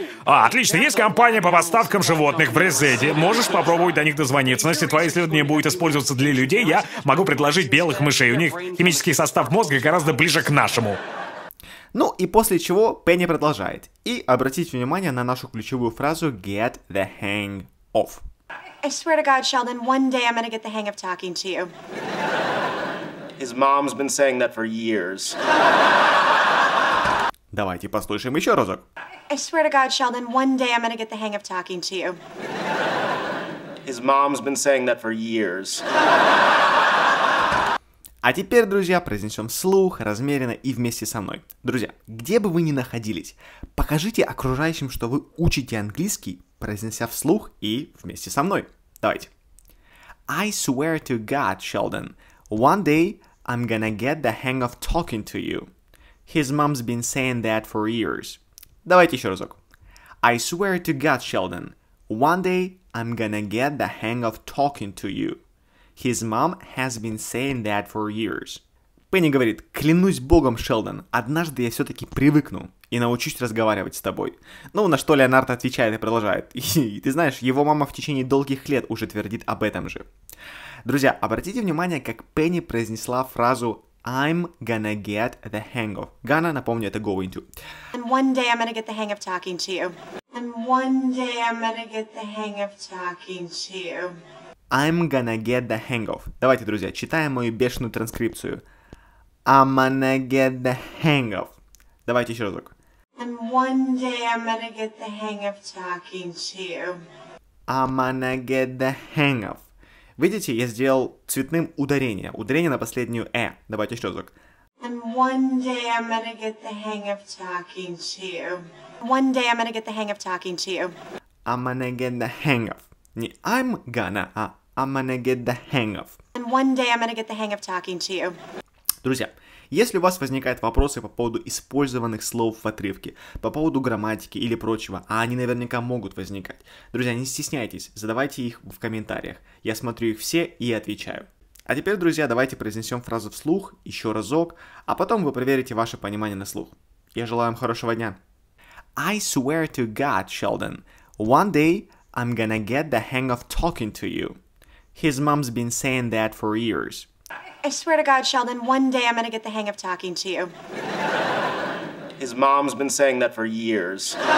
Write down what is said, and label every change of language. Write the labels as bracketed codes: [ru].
[ru] А, отлично, есть компания по поставкам животных в Резете. Можешь попробовать до них дозвониться. Но если твое исследование будет использоваться для людей, я могу предложить белых мышей. У них химический состав мозга гораздо ближе к нашему. Ну и после чего Пенни продолжает. И обратите внимание на нашу ключевую фразу «get the hang of». [en] I swear to God, Sheldon, one day I'm gonna get the hang of talking to you. His mom's been saying that for years. [ru] Давайте послушаем еще разок. [en] I swear to God, Sheldon, one day I'm gonna get the hang of talking to you. His mom's been saying that for years. [ru] А теперь, друзья, произнесем вслух, размеренно и вместе со мной. Друзья, где бы вы ни находились, покажите окружающим, что вы учите английский, произнеся вслух и вместе со мной. Давайте. [en] I swear to God, Sheldon, one day I'm gonna get the hang of talking to you. His mom's been saying that for years. [ru] Давайте еще разок. [en] I swear to God, Sheldon, one day I'm gonna get the hang of talking to you. His mom has been saying that for years. [ru] Пенни говорит: клянусь богом, Шелдон, однажды я все-таки привыкну и научусь разговаривать с тобой. Ну, на что Леонардо отвечает и продолжает. И ты знаешь, его мама в течение долгих лет уже твердит об этом же. Друзья, обратите внимание, как Пенни произнесла фразу [en] I'm gonna get the hang of. Gonna, [ru] напомню, это [en] going to. And one day I'm gonna get the hang of talking to you. And one day I'm gonna get the hang of talking to you. I'm gonna get the hang of. [ru] Давайте, друзья, читаем мою бешеную транскрипцию. [en] I'm gonna get the hang of. [ru] Давайте еще разок. [en] And one day I'm gonna get the hang of talking to you. I'm gonna get the hang of. [ru] Видите, я сделал цветным ударение. Ударение на последнюю «э». Давайте еще разок. [en] And one day I'm gonna get the hang of talking to you. One day I'm gonna get the hang of talking to you. I'm gonna get the hang of. Не I'm gonna, а I'm gonna get the hang of. And one day I'm gonna get the hang of talking to you. [ru] Друзья, если у вас возникают вопросы по поводу использованных слов в отрывке, по поводу грамматики или прочего, а они наверняка могут возникать, друзья, не стесняйтесь, задавайте их в комментариях. Я смотрю их все и отвечаю. А теперь, друзья, давайте произнесем фразу вслух еще разок, а потом вы проверите ваше понимание на слух. Я желаю вам хорошего дня. [en] I swear to God, Sheldon, one day I'm gonna get the hang of talking to you. His mom's been saying that for years. I swear to God, Sheldon, one day I'm gonna get the hang of talking to you. His mom's been saying that for years.